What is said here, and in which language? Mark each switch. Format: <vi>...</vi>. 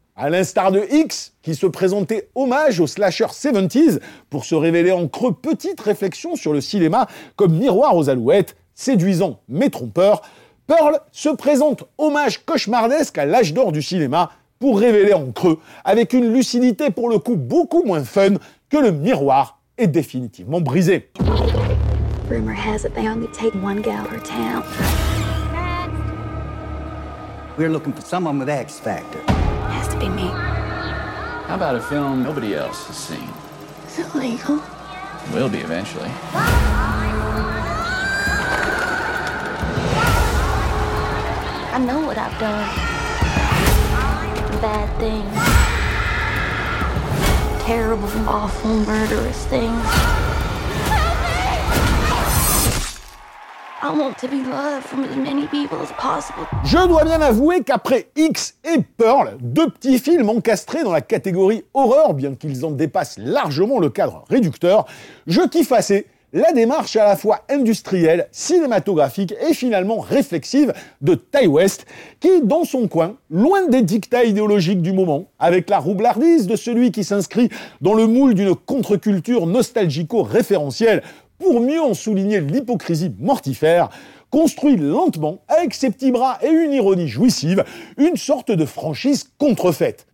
<fr>À l'instar de X, qui se présentait hommage aux slasher 70s pour se révéler en creux petite réflexion sur le cinéma comme miroir aux alouettes, séduisant mais trompeur, Pearl se présente hommage cauchemardesque à l'âge d'or du cinéma pour révéler en creux, avec une lucidité pour le coup beaucoup moins fun, que le miroir est définitivement brisé.</fr> <en>Rumor has it they only take one gal per town. We're looking for someone with X factor. It has to be me. How about a film nobody else has seen? Is it legal? It will be eventually. I know what I've done. Bad things. Terrible, awful, murderous things. I want to be loved from as many people as possible.</en> <fr>Je dois bien avouer qu'après X et Pearl, deux petits films encastrés dans la catégorie horreur, bien qu'ils en dépassent largement le cadre réducteur, je kiffe assez la démarche à la fois industrielle, cinématographique et finalement réflexive de Ty West, qui, dans son coin, loin des dictats idéologiques du moment, avec la roublardise de celui qui s'inscrit dans le moule d'une contre-culture nostalgico-référentielle pour mieux en souligner l'hypocrisie mortifère, construit lentement, avec ses petits bras et une ironie jouissive, une sorte de franchise contrefaite.</fr>